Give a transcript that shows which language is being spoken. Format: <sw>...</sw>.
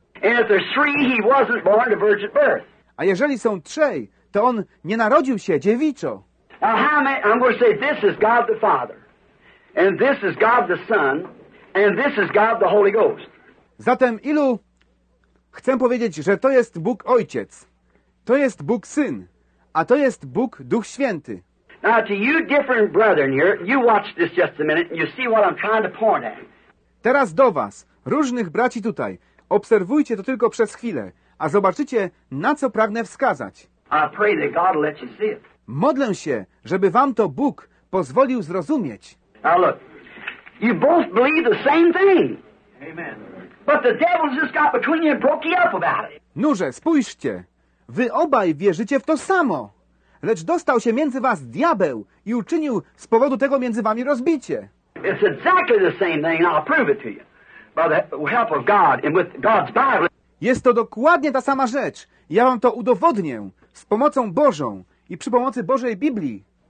<en>And if there's three, he wasn't born a virgin birth.</en> <pl>A jeżeli są trzej, to on nie narodził się dziewiczo.</pl> <en>Now, I'm going to say this is God the Father, and this is God the Son, and this is God the Holy Ghost.</en> <pl>Zatem ilu chcę powiedzieć, że to jest Bóg Ojciec, to jest Bóg Syn, a to jest Bóg Duch Święty.</pl> <en>Now, to you different brethren here, you watch this just a minute, and you see what I'm trying to point at.</en> <pl>Teraz do was, różnych braci tutaj, obserwujcie to tylko przez chwilę, a zobaczycie, na co pragnę wskazać.</pl> <en>I pray that God will let you see it.</en> <pl>Modlę się, żeby wam to Bóg pozwolił zrozumieć.</pl> <en>Now look, you both believe the same thing. Amen. But the devil just got between you and broke you up about it.</en> <pl>Nurze, spójrzcie. Wy obaj wierzycie w to samo. Lecz dostał się między was diabeł i uczynił z powodu tego między wami rozbicie.</pl> <en>It's exactly the same thing, and I'll prove it to you. By the help of God and with God's Bible.</en> <pl>Jest to dokładnie ta sama rzecz. Ja wam to udowodnię z pomocą Bożą. I przy pomocy Bożej Biblii.</pl>